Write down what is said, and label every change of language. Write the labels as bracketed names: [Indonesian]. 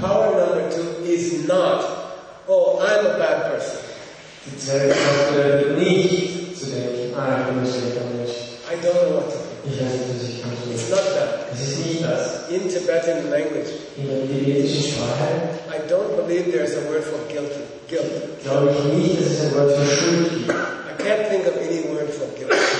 [English] Power number two is not, I'm a bad person. [German] Die zweite Kraft bedeutet nicht zu denken, ich bin ein schlechter Mensch. [English] I don't know what to do. [German] Ich weiß nicht, was ich kann tun. [English] It's not that. [German] Es ist nicht das. [English] In Tibetan language. [German] In der tibetischen Sprache. [English] I don't believe there's a word for guilt. [German] Glaube ich nicht, dass es ein Wort für Schuld gibt. [English] I can't think of any word for guilt.